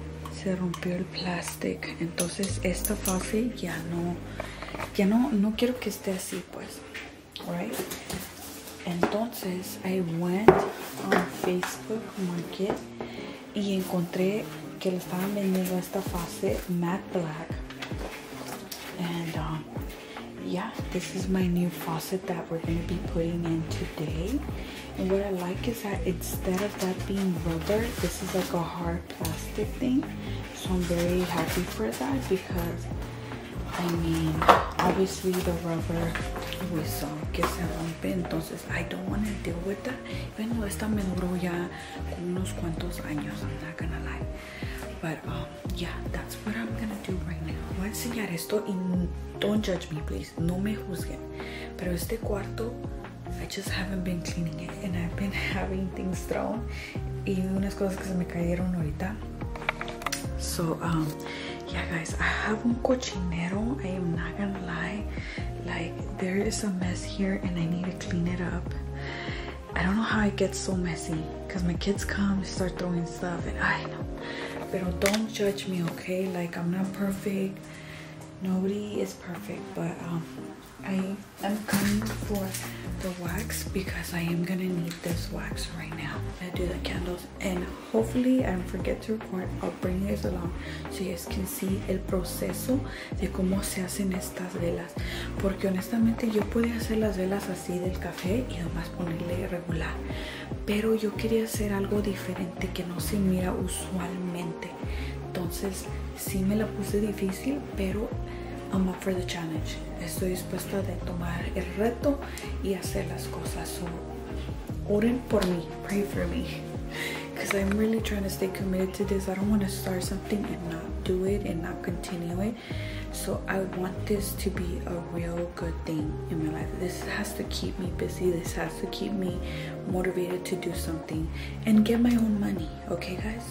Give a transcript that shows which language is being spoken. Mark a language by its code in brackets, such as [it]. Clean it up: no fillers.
[es] Se rompió el plastic, entonces esta fase ya no quiero que esté así, pues, right? [en] Entonces I went on Facebook Market [es] y encontré que le estaban vendiendo esta fase [en] matte black, and yeah, this is my new faucet that we're going to be putting in today. And what I like is that instead of that being rubber, this is like a hard plastic thing. So I'm very happy for that because, I mean, obviously the rubber we saw [es] que se rompe. Entonces, [en] I don't want to deal with that. Even though [es] esta me duró ya unos cuantos años, [en] I'm not going to lie. But yeah, that's what I'm gonna do right now. [es] Voy a enseñar esto y [en] don't judge me, please. [es] No me juzguen. Pero este cuarto, [en] I just haven't been cleaning it. And I've been having things thrown. [es] Y unas cosas que se me cayeron ahorita. [en] So, yeah, guys, I have [es] un cochinero. [en] I am not gonna lie. Like, there is a mess here and I need to clean it up. I don't know how it gets so messy. Because my kids come, start throwing stuff, and I know. But don't judge me, okay? Like, I'm not perfect. Nobody is perfect. But I am coming for the wax because I am going to need this wax right now. I'm going to do the candles. And hopefully, I don't forget to record. I'll bring you guys along so you guys can see [es] el proceso de cómo se hacen estas velas. Porque honestamente, yo podía hacer las velas así del café y además ponerle regular. Pero yo quería hacer algo diferente que no se mira usualmente. Entonces, sí me la puse difícil, pero [en] I'm up for the challenge. [es] Estoy dispuesta de tomar el reto y hacer las cosas. [en] So, [es] oren por mí. [en] Pray for me. Because I'm really trying to stay committed to this. I don't want to start something and not do it and not continue it. So I want this to be a real good thing in my life. This has to keep me busy. This has to keep me motivated to do something and get my own money. Okay, guys?